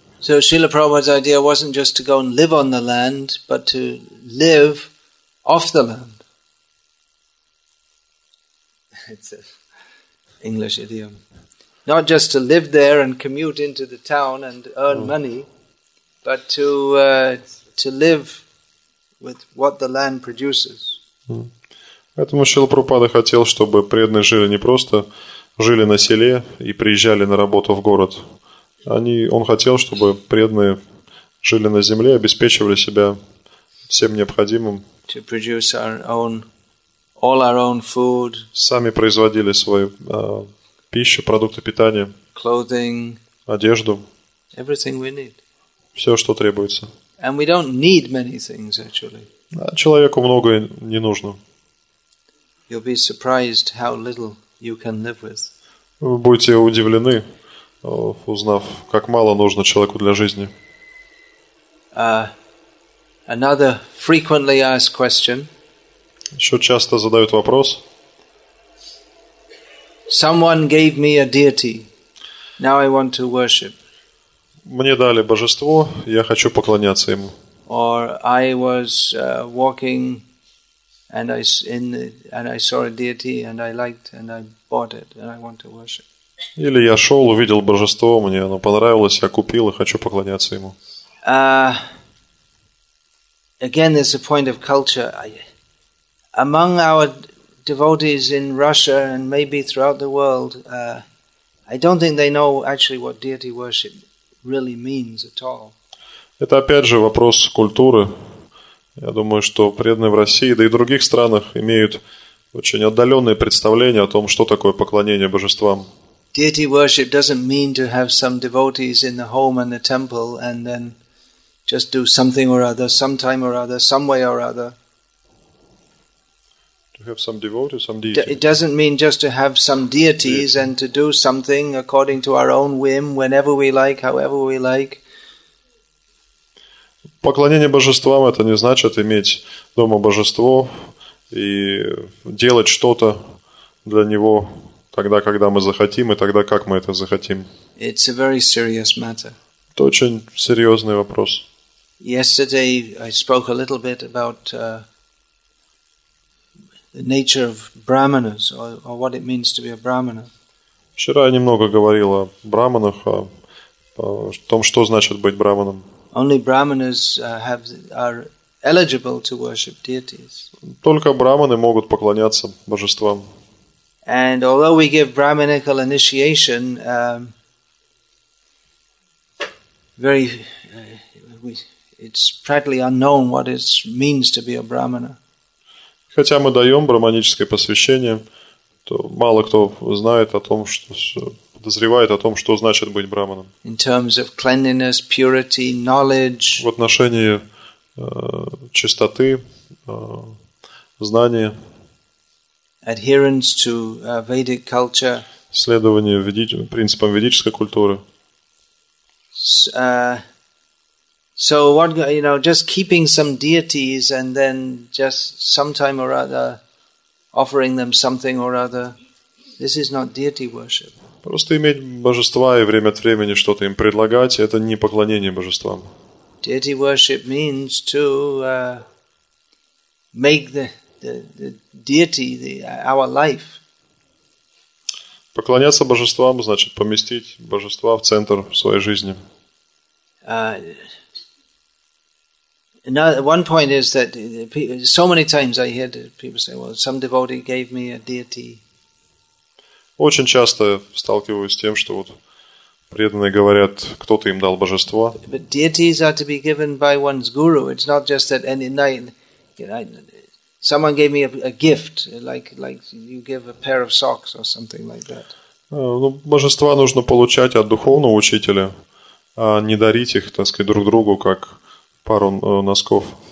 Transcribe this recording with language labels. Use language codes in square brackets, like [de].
[en] So Srila Prabhupada's idea wasn't just to go and live on the land, but to live off the land. It's an English idiom. Not just to live there and commute into the town and earn money, but to live with what the land produces. [ru] Поэтому Шрила Прабхупада хотел, чтобы преданные жили не просто жили на селе и приезжали на работу в город. Он хотел, чтобы преданные жили на земле, обеспечивали себя всем необходимым. [en] To produce all our own food. [ru] Сами производили свою пищу, продукты питания. [en] Clothing. [ru] Одежду. [en] Everything we need. [ru] Все, что требуется. [en] And we don't need many things, actually. [ru] А человеку многое не нужно. [en] You'll be surprised how little you can live with. [ru] Вы будете удивлены, узнав, как мало нужно человеку для жизни. [en] Another frequently asked question. [ru] Еще часто задают вопрос. [en] Someone gave me a deity. Now I want to worship. [ru] Мне дали божество, я хочу поклоняться ему. [en] Or I was walking and I saw a deity and I liked and I bought it and I want to worship. [ru] Или я шел, увидел божество, мне оно понравилось, я купил и хочу поклоняться ему. [en] Again, there's a point of culture. Among our devotees in Russia and maybe throughout the world, I don't think they know actually what deity worship really means at all. [ru] Это опять же вопрос культуры. Я думаю, что преданные в России, да и в других странах, имеют очень отдаленное представление о том, что такое поклонение божествам. [en] Deity worship doesn't mean to have some devotees in the home and the temple and then just do something or other, sometime or other, some way or other. To have some devotees, some deities. It doesn't mean just to have some deities and to do something according to our own whim, whenever we like, however we like. [ru] Поклонение божествам – это не значит иметь дома божество и делать что-то для него тогда, когда мы захотим, и тогда, как мы это захотим. [en] It's a very serious matter. [ru] Это очень серьезный вопрос. [en] Yesterday I spoke a little bit about the nature of brahmanas or what it means to be a brahmana. [ru] Вчера я немного говорил о брахманах, о том, что значит быть брахманом. [en] Only brahmanas are eligible to worship deities. [ru] Только брахманы могут поклоняться божествам. [en] And although we give brahminical initiation, it's practically unknown what it means to be a brahmana. [ru] Хотя мы даем брахманическое посвящение, то мало кто знает о том, что подозревает о том, что значит быть брахманом. [en] In terms of cleanliness, purity, knowledge. [ru] В отношении чистоты, знания. [en] Adherence to Vedic culture. [ru] Следование принципам ведической культуры. [en] So what, you know, just keeping some deities and then just sometime or other offering them something or other. This is not deity worship. [ru] Просто иметь божества и время от времени что-то им предлагать – это не поклонение божествам. [en] Deity worship means to make the deity our life. [ru] Поклоняться божествам – значит поместить божества в центр своей жизни. [en] Now, one point is that so many times I hear people say, "Well, some devotee gave me a deity." [ru] Очень часто сталкиваюсь с тем, что вот преданные говорят, кто-то им дал божество. [en] But deities are to be given by one's guru. It's not just that any night, someone gave me a gift, like you give a pair of socks or something like that. [ru] Ну, божества нужно получать от духовного учителя, а не дарить их, так сказать, друг другу, как пару носков.